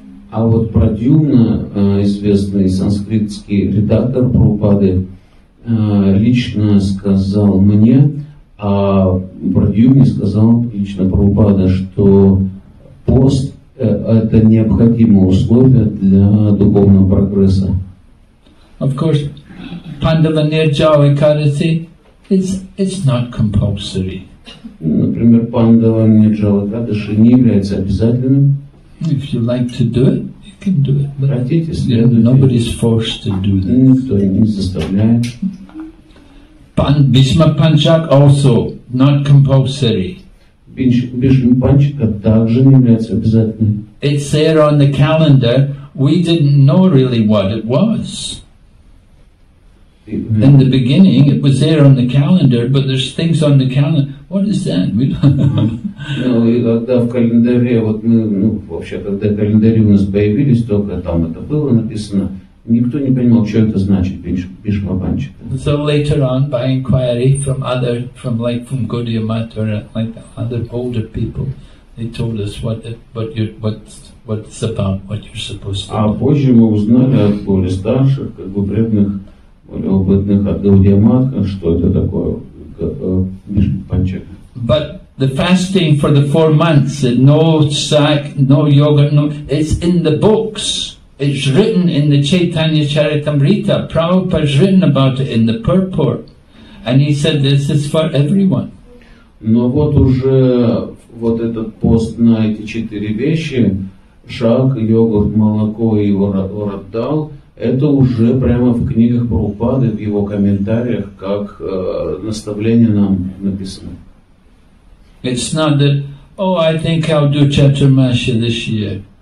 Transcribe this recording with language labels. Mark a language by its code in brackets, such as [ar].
[ru] А вот Prajumna, известный санскритский редактор Прабхупады, лично сказал мне, а Prajumna сказал лично Прабхупада, что пост это необходимое условие для духовного прогресса. [en] Of course, Pandava Nirjala Ekadasi it's not compulsory. [ru] Например, Pandava Nirjala Ekadasi не является обязательным. [en] If you like to do it, you can do it. But [ru] хотите, следуйте. [en] Nobody's forced to do this. [ru] Никто не заставляет. [en] Bhishma Panchak also not compulsory. [ru] Бишмапанчика также не является обязательным. [en] It said on the calendar, we didn't know really what it was. In the beginning, it was there on the calendar, but there's things on the calendar. What is that? We don't know. [ru] Когда в календаре, вот мы, ну, вообще, когда календари у нас появились, только там это было написано, никто не понимал, что это значит, бишмапанчика. [en] So later on, by inquiry from other, from like from Gaudiya Math or like other older people, they told us what it's about, what you're supposed to. [ru] А позже мы узнали от более старших, как бы преданных, более опытных от Гаудия Матха, что это такое бишмапанчика. [en] But the fasting for the 4 months, no sack, no yogurt, no, it's in the books. It's written in the Chaitanya Charitamrita. Prabhupada's written about it in the purport. And he said this is for everyone. [ru] Но вот уже вот этот пост на эти четыре вещи, шак, йогурт, молоко и урадал, это уже прямо в книгах Прабхупады, в его комментариях, как наставление нам написано. [en] It's not that oh, I think I'll do Chaturmasya this year.